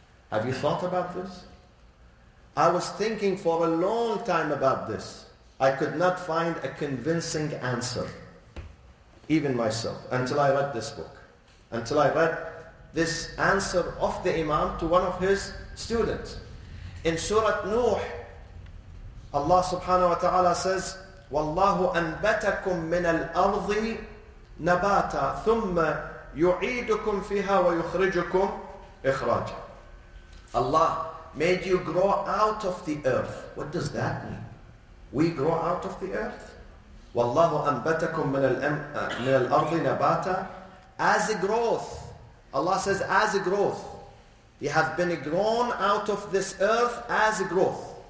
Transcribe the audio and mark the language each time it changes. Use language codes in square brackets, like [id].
[en] Have you thought about this? I was thinking for a long time about this. I could not find a convincing answer, even myself, until I read this book. Until I read this answer of the Imam to one of his students. In Surah Nuh, Allah subhanahu wa ta'ala says, [ar] وَاللَّهُ أَنْبَتَكُمْ مِنَ الْأَرْضِ نَبَاتًا ثُمَّ يُعِيدُكُمْ فِيهَا وَيُخْرِجُكُمْ إِخْرَاجًا. [en] Allah made you grow out of the earth. What does that mean? We grow out of the earth? [ar] وَاللَّهُ أَنْبَتَكُمْ مِنَ الْأَرْضِ نَبَاتًا. [en] As a growth, Allah says, as a growth, you have been grown out of this earth as a growth.